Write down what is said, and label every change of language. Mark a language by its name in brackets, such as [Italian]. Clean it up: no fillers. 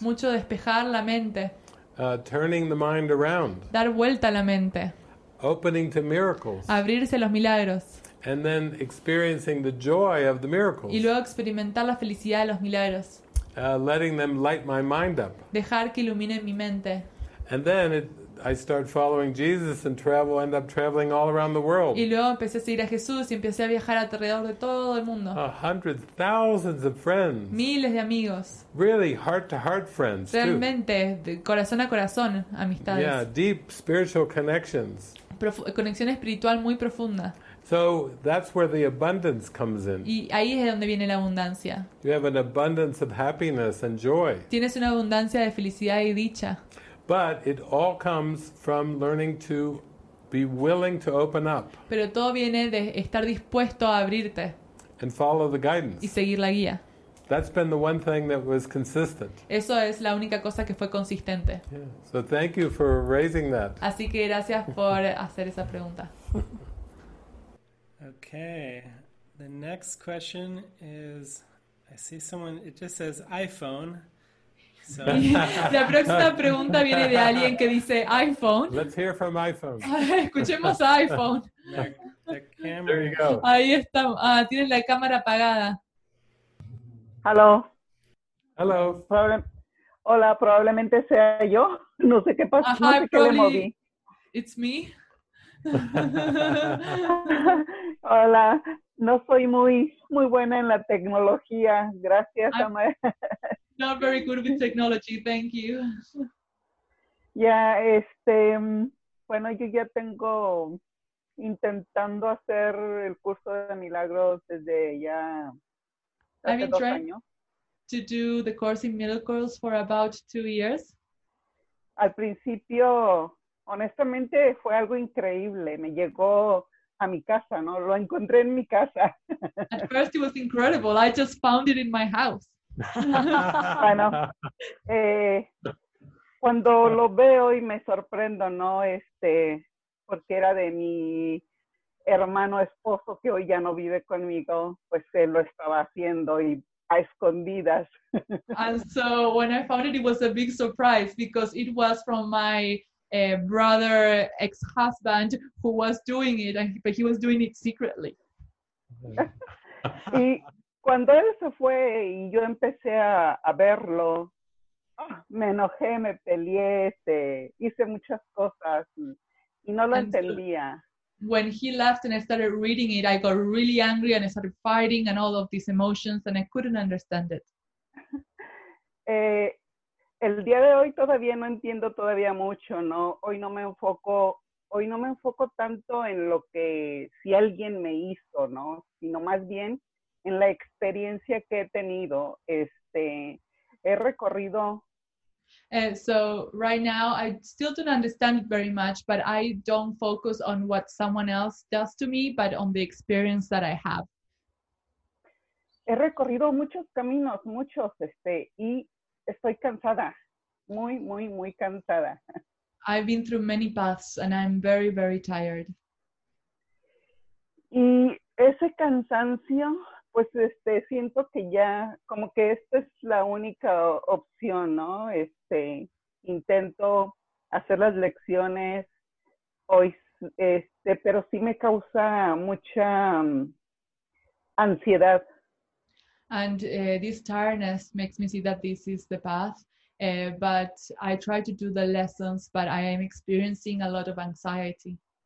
[Spanish] Mucho despejar la mente. [English] Turning the mind around. [Spanish] Dar vuelta a la mente. [English] Opening to miracles. [Spanish] Abrirse a los milagros. [English] And then experiencing the joy of the miracles. [Spanish] Y luego experimentar la felicidad de los milagros. [English] Letting them light my mind up. [Spanish] Dejar que iluminen mi mente. [English] And then it, I start following Jesus and travel, end up traveling all around the world. [Spanish] Y luego empecé a seguir a Jesús y empecé a viajar alrededor de todo el mundo. [English] A hundred thousands of friends. [Spanish] Miles de amigos. [English] Really heart to heart friends. [Spanish] Realmente de corazón a corazón amistades. [English] Yeah, deep spiritual connections. [Spanish] Conexión espiritual muy profunda. [English] So that's where the abundance comes in. [Spanish] Y ahí es donde viene la abundancia. [English] You have an abundance of happiness and joy. [Spanish] Tienes una abundancia de felicidad y dicha. [English] But it all comes from learning to be willing to open up. [Spanish] Pero todo viene de estar dispuesto a abrirte. [English] And follow the guidance. [Spanish] Y seguir la guía. [English] That's been the one thing that was consistent. [Spanish] Eso es la única cosa que fue consistente. [English] Yeah. So thank you for raising that. [Spanish] Así que gracias por hacer esa pregunta. [English] Okay, the next question is, I see someone, it just says iPhone. So. [Spanish] La próxima pregunta viene de alguien que dice iPhone. [English] Let's hear from iPhone. [Spanish] Escuchemos a iPhone. [English] The camera. There you go. [Spanish] Ahí está, tienen la cámara apagada. [English] Hello. Hello. [Spanish] Hola, probablemente sea yo. No sé qué pasó, no sé qué le moví. [English] It's me. [Spanish] Hola, no soy muy buena en la tecnología. Gracias. [English] I'm not very good with technology. Thank you. [Spanish] Ya, bueno, yo ya tengo intentando hacer el curso de milagros desde ya hace [English] I've been trying to do the course in miracles for about 2 years. [Spanish] Al principio, honestamente, fue algo increíble. Me llegó a mi casa, ¿no? Lo encontré en mi casa. [English] At first it was incredible. I just found it in my house. [Spanish] Bueno, cuando lo veo y me sorprendo, ¿no? Porque era de mi hermano esposo que hoy ya no vive conmigo, pues él lo estaba haciendo y a escondidas. [English] And so when I found it was a big surprise because it was from my brother, ex-husband, who was doing it, but he was doing it secretly. [Spanish] Y cuando él se fue y yo empecé a verlo, me enojé, me peleé, hice muchas cosas y no lo entendía. [English] When he left and I started reading it, I got really angry and I started fighting and all of these emotions and I couldn't understand it. [Spanish] El día de hoy todavía no entiendo todavía mucho, ¿no? Hoy no me enfoco tanto en lo que si alguien me hizo, ¿no? Sino más bien en la experiencia que he tenido. He recorrido. [English] So right now I still don't understand it very much, but I don't focus on what someone else does to me, but on the experience that I have. [Spanish] He recorrido muchos caminos, muchos, y estoy cansada, muy, muy, muy cansada. [English] I've been through many paths and I'm very, very tired. [Spanish] Y ese cansancio, pues siento que ya, como que esta es la única opción, ¿no? Intento hacer las lecciones hoy, pero sí me causa mucha ansiedad. [English] And this tiredness makes me see that this is the path. But I try to do the lessons, but I am experiencing a lot of anxiety.